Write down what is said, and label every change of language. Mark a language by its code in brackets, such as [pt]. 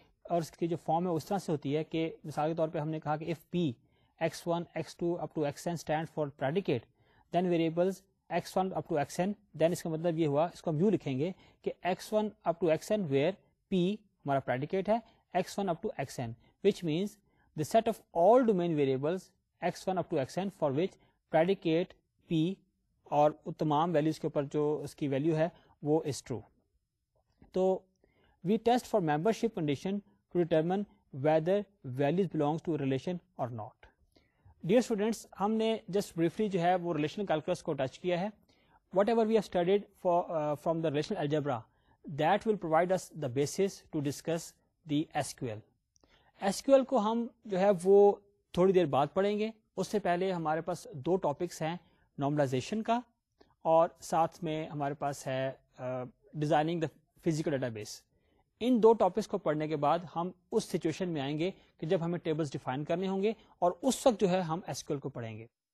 [ur] اور اس کی جو فارم ہے اس طرح سے ہوتی ہے کہ مثال کے طور پہ ہم نے کہا کہ if P x one x to up to x N stand for predicate then variables x one up to x N, دین اس کا مطلب یہ ہوا, اس کو ہم یوں لکھیں گے کہ x one up to x N where پی ہمارا پریڈیکیٹ ہے x one up to x N, which means [en] the set of all domain variables x1 up to xn for which predicate p [ur] اور تمام ویلوز کے اوپر جو اس کی value ہے وہ [en] Is true. تو we test for membership condition to determine whether values belongs to relation or not. [ur] ڈیئر اسٹوڈینٹس, ہم نے جسٹ بریفلی جو ہے وہ ریلیشنل کیلکولس کو ٹچ کیا ہے. [en] Whatever we have studied from the relational algebra that will provide us the basis to discuss the S Q L. [ur] S Q L کو ہم جو ہے وہ تھوڑی دیر بعد پڑھیں گے. اس سے پہلے ہمارے پاس دو ٹاپکس ہیں, نارملائزیشن کا اور ساتھ میں ہمارے پاس ہے designing the physical data base. In do topics کو پڑھنے کے بعد ہم اس سچویشن میں آئیں گے کہ جب ہمیں ٹیبلز ڈیفائن کرنے ہوں گے, اور اس وقت جو ہے ہم ایس کیو ایل کو پڑھیں گے.